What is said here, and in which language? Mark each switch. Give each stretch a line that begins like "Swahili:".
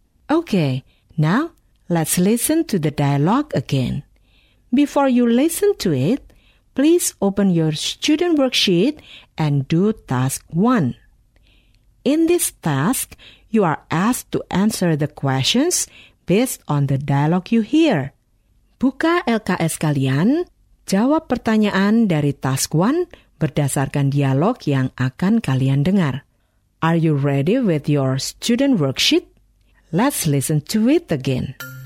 English: Okay, now let's listen to the dialogue again. Before you listen to it, please open your student worksheet and do task 1. In this task, you are asked to answer the questions based on the dialogue you hear.
Indonesian: Buka LKS kalian, jawab pertanyaan dari task 1 berdasarkan dialog yang akan kalian dengar.
English: Are you ready with your student worksheet? Let's listen to it again.